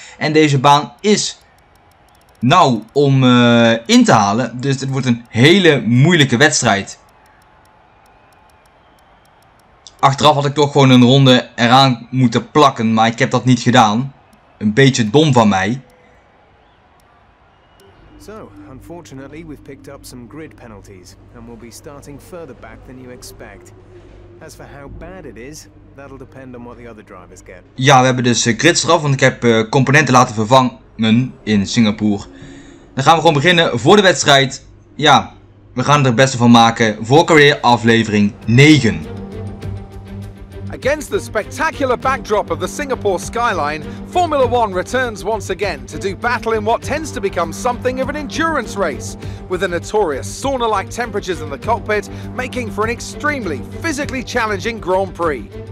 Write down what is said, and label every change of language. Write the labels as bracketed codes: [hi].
[nl] En deze baan is nauw om in te halen, dus het wordt een hele moeilijke wedstrijd. Achteraf had ik toch gewoon een ronde eraan moeten plakken, maar ik heb dat niet gedaan. Een beetje dom van mij. [en] So, unfortunately, we've picked up some grid penalties and we'll be starting further back than you expect. As for how bad it is, that'll depend on what the other drivers get. [nl] Ja, we hebben dus gridstraf, want ik heb componenten laten vervangen in Singapore. Dan gaan we gewoon beginnen voor de wedstrijd. Ja, we gaan er het beste van maken voor Career aflevering 9. [en] Against the spectacular backdrop of the Singapore skyline, Formula One returns once again to do battle in what tends to become something of an endurance race, with the notorious sauna-like temperatures in the cockpit making for an extremely physically challenging Grand Prix.